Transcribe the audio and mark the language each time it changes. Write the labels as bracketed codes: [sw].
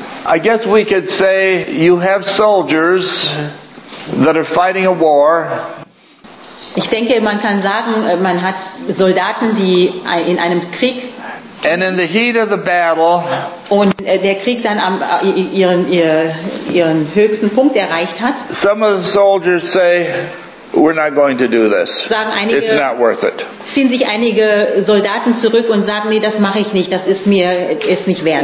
[en] I guess we could say you have soldiers that are fighting a war. [de] Ich denke, man kann sagen, man hat Soldaten, die in einem Krieg. [en] And in the heat of the battle. [de] Und der Krieg dann ihren höchsten Punkt erreicht hat. [en] Some of the soldiers say, we're not going to do this. [de] Sagen einige, [en] it's not worth it. [de] Ziehen sich einige Soldaten zurück und sagen, nee, das mache ich nicht, das ist mir nicht wert.